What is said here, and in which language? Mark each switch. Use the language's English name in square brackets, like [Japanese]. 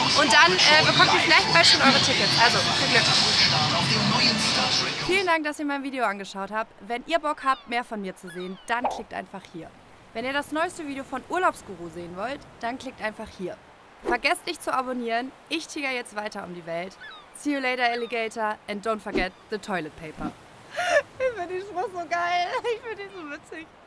[German] Und dann bekommt ihr vielleicht bald schon eure Tickets. Also, viel Glück. Vielen Dank, dass ihr mein Video angeschaut habt. Wenn ihr Bock habt, mehr von mir zu sehen, dann klickt einfach hier. Wenn ihr das neueste Video von Urlaubsguru sehen wollt, dann klickt einfach hier. Vergesst nicht zu abonnieren, ich tigere jetzt weiter um die Welt. [English] See you later, Alligator, and don't forget the toilet paper. [German] Ich finde den Spruch so geil, ich finde ihn so witzig.